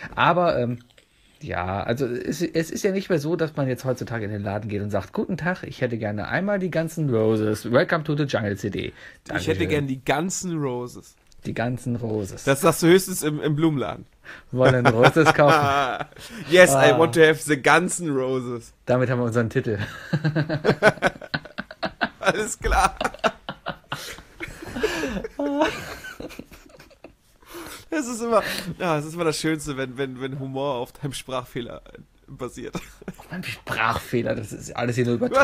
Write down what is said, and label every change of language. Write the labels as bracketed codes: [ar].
[de] Aber, ja, also es ist ja nicht mehr so, dass man jetzt heutzutage in den Laden geht und sagt, guten Tag, ich hätte gerne einmal die ganzen Roses. [en] Welcome to the Jungle CD. [de] Dankeschön. Ich hätte gerne die ganzen Roses. Die ganzen Roses. Das sagst du höchstens im Blumenladen. Wollen Roses kaufen? [en] Yes, I want to have the ganzen Roses. [de] Damit haben wir unseren Titel. Alles klar. Es ist immer das Schönste, wenn Humor auf deinem Sprachfehler basiert. Auf meinem Sprachfehler, das ist alles hier nur Übertragung.